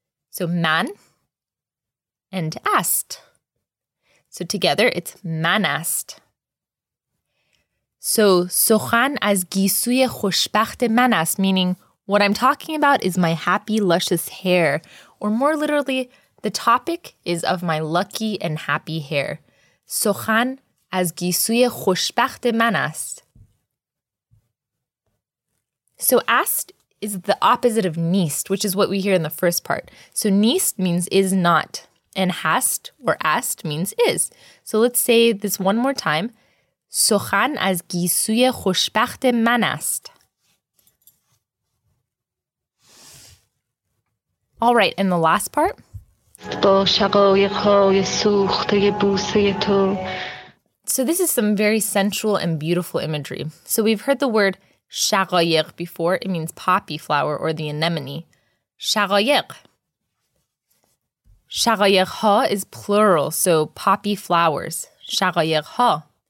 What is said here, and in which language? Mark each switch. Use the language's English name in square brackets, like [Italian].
[English] So man and ast. So together it's manast. So, [Persian] سخن از گیسوی خوشبخت من است, [English] meaning what I'm talking about is my happy, luscious hair. Or more literally, the topic is of my lucky and happy hair. [Persian] سخن از گیسوی خوشبخت من است. [English] So, است is the opposite of نیست, which is what we hear in the first part. So, نیست means is not, and هست or است means is. So, let's say this one more time. [Persian] سخن از گیسوی خوشبخت من است. [English] All right, and the last part. [Persian] با شقایق‌های سوخته بوسه تو. [English] So this is some very sensual and beautiful imagery. So we've heard the word شقایق before. It means poppy flower or the anemone. شقایق. شقایق‌ها is plural, so poppy flowers. شقایق‌ها.